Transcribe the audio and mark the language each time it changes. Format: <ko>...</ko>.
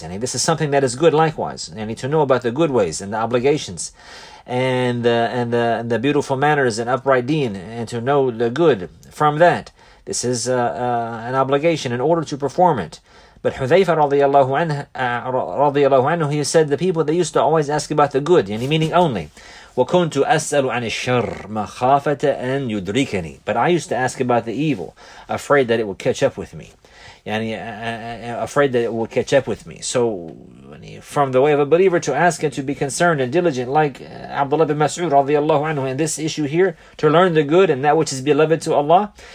<en>And this is something that is good likewise. They need to know about the good ways and the obligations and the beautiful manners and upright deen, and to know the good from that. This is an obligation in order to perform it. But Hudhayfa radiallahu anhu, he said the people, they used to always ask about the good, any meaning only.</en> <ar>وَكُنْتُ أَسْأَلُ عَنِ الشَّرِّ مَخَافَةَ أَنْ يُدْرِكَنِي.</ar> <en>But I used to ask about the evil, afraid that it would catch up with me. Yani, afraid that it will catch up with me. So, from the way of a believer to ask and to be concerned and diligent, like Abdullah bin Mas'ud radiallahu anhu, in this issue here, to learn the good and that which is beloved to Allah.</en>